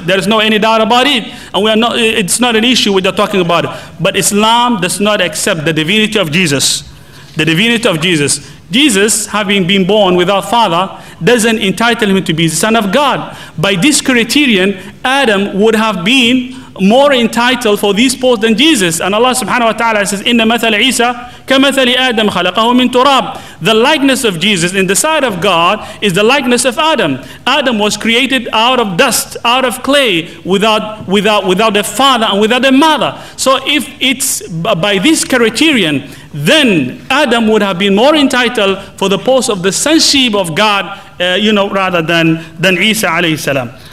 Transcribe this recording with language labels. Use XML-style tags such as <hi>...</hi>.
<en>There is no any doubt about it. And it's not an issue we are talking about. But Islam does not accept the divinity of Jesus. The divinity of Jesus. Jesus, having been born without father, doesn't entitle him to be the son of God. By this criterion, Adam would have been more entitled for this post than Jesus. And Allah subhanahu wa ta'ala says,</en> <ar>إِنَّ مَثَلِ عِيسَى كَمَثَلِ آدَمْ خَلَقَهُ مِنْ تُرَابٍ.</ar> <en>The likeness of Jesus in the sight of God is the likeness of Adam. Adam was created out of dust, out of clay, without a father and without a mother. So if it's by this criterion, then Adam would have been more entitled for the post of the sonship of God, you know, rather than Isa alayhi salam.</en>